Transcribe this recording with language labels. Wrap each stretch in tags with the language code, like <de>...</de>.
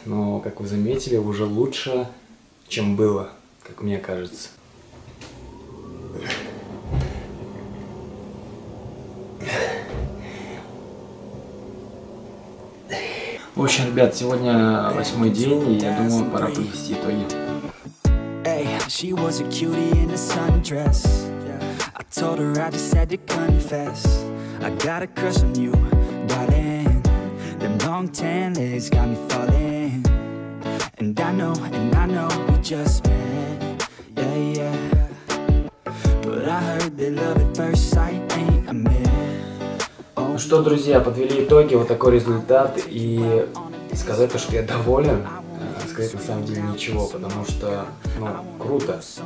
<ru>Но, как вы заметили, уже лучше, чем было, как мне кажется. В общем, ребят, сегодня 8-й день, и я думаю, пора подвести итоги.</ru> <en>She was a cutie in a sundress. Yeah. I told her I just had to confess. I got a crush on you, darling. Them long tan legs got me falling. And I know we just met. Yeah, yeah. But I heard that love at first sight ain't a myth.</en> <ru>Oh, ну что, друзья, подвели итоги, вот такой результат. И сказать то, что я доволен. Сказать на самом деле ничего, потому что, ну, круто.</ru>